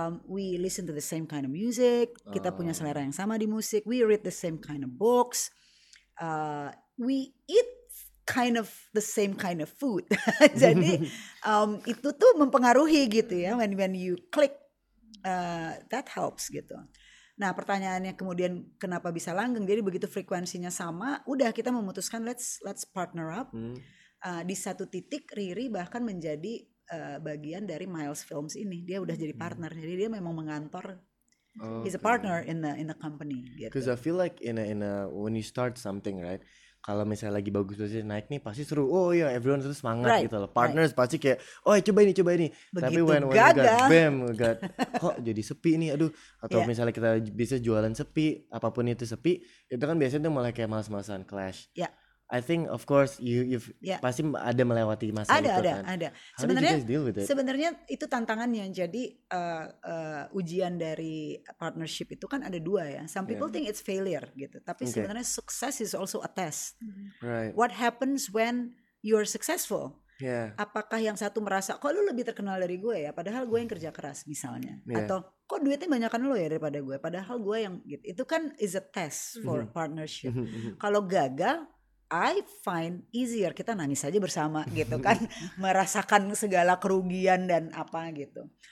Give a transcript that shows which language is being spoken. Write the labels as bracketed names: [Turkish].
[English] We listen to the same kind of music. [Indonesian] Kita punya selera yang sama di musik. [English] We read the same kind of books. We eat kind of the same kind of food. [Indonesian] Jadi itu tuh mempengaruhi gitu ya. [English] When you click, that helps [Indonesian] gitu. Nah pertanyaannya kemudian kenapa bisa langgeng. Jadi begitu frekuensinya sama, udah kita memutuskan [English] let's partner up. [Indonesian] Di satu titik Riri bahkan menjadi bagian dari Miles Films ini. Dia udah jadi partner. Jadi dia memang mengantor. [English] He's a partner in the company gitu. Because I feel like when you start something, right? [Indonesian] kalau misalnya lagi bagus terus naik nih pasti seru. Oh iya, everyone terus semangat right. gitu loh. Partners right. pasti kayak, oh coba ini, coba ini. Begitu, [English] tapi when [Indonesian] gagal. [English] You got bam, you got, [Indonesian] kok jadi sepi nih, aduh. Atau [English] yeah. [Indonesian] misalnya kita bisa jualan sepi, apapun itu sepi, itu kan biasanya tuh mulai kayak malas-malasan, clash. [English] Yeah. I think of course you've yeah. [Indonesian] pasti ada melewati masa ada, itu ada, kan. Ada. Sebenarnya itu tantangannya. Jadi ujian dari partnership itu kan ada dua ya. [English] Some people yeah. think it's failure gitu. Tapi okay. sebenarnya success is also a test. Right. What happens when you're successful? Yeah. [Indonesian] Apakah yang satu merasa kok lu lebih terkenal dari gue ya? Padahal gue yang kerja keras misalnya. [English] Yeah. [Indonesian] Atau kok duitnya banyakan lo ya daripada gue? Padahal gue yang gitu. Itu kan [English] is a test for [Indonesian] mm-hmm. partnership. Kalau gagal, [English] I find easier [Indonesian] kita nangis aja bersama gitu kan, merasakan segala kerugian dan apa gitu.